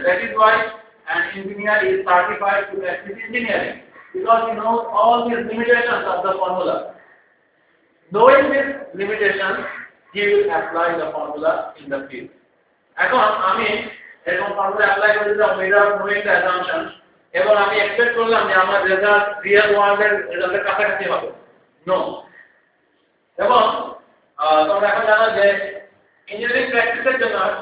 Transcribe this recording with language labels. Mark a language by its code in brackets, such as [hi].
[en] That is why an engineer is certified to practice engineering because he knows all the limitations of the formula. Knowing these limitations, he will apply the formula in the field. [bn] এখন আমি এরকম formula apply করে দিলাম [en] without knowing the assumption [bn] এবং আমি expect করলাম যে আমার রেজাল্ট রিয়েল ওয়ার্ল্ডের রেজাল্টের কাছাকাছি হবে. [en] No. [bn] এবং তোমরা এখন জানো যে ইঞ্জিনিয়ারিং প্র্যাকটিসের জন্য